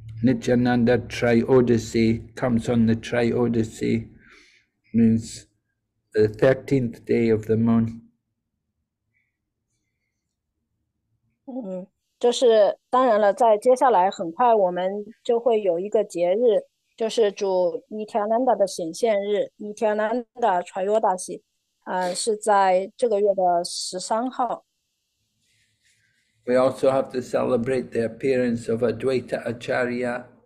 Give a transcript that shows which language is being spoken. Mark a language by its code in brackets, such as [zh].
[en] Nityananda Triodicy comes on the Triodicy, means the 13th day of the moon. Mm-hmm. [zh] 就是当然了，在接下来很快我们就会有一个节日，就是主尼提亚南达的显现日，尼提亚南达Trayodasi，是在这个月的13号。 [en] We also have to celebrate the appearance of Advaita Acharya.